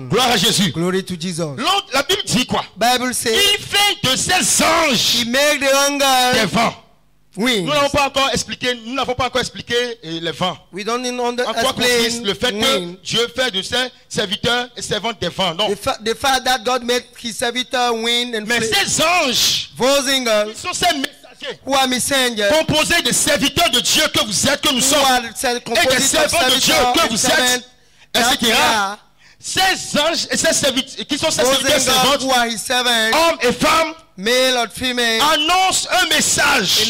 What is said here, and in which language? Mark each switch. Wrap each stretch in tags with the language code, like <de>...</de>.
<fr>Gloire à Jésus.</fr> <en>Glory to Jesus.</en> <fr>La Bible dit quoi?</fr> <en>Bible says.</en> <fr>Il fait de ses anges.</fr> <en>He made the angels.</en> <fr>Des vents. Oui. Nous n'avons pas encore expliqué. Nous n'avons pas encore expliqué les vents.</fr> <en>We don't even understand.</en> <fr>En quoi consiste le fait que Dieu fait de ses serviteurs et servantes des vents? Non.</fr> <en>The fact that God made his servitors wind and</en> <fr>mais ses anges.</fr> <en>Vos angels.</en> <fr>Ils sont ses messagers. Composés des serviteurs de Dieu que vous êtes, que nous sommes. Et des servants de Dieu que vous êtes, etc. Ces anges et ces serviteurs qui sont ses serviteurs et servantes, servant, hommes et femmes,</fr> <en>male or female,</en> <fr>annoncent un message.</fr>